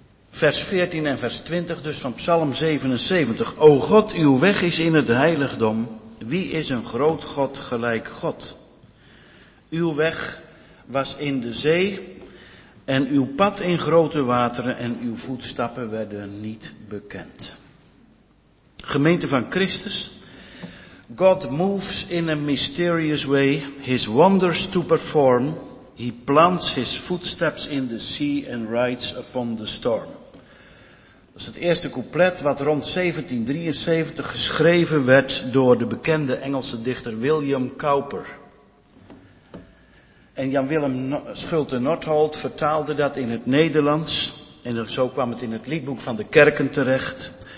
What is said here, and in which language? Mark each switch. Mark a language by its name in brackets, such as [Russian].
[Dutch] Vers 14 en vers 20 dus van Psalm 77. O God, uw weg is in het heiligdom. Wie is een groot God gelijk God? Uw weg was in de zee en uw pad in grote wateren en uw voetstappen werden niet bekend. Gemeente van Christus, [English] God moves in a mysterious way, his wonders to perform. He plants his footsteps in the sea and rides upon the storm. [Dutch] Dat is het eerste couplet wat rond 1773 geschreven werd door de bekende Engelse dichter William Cowper. En Jan Willem Schulte-Northolt vertaalde dat in het Nederlands, en zo kwam het in het liedboek van de kerken terecht.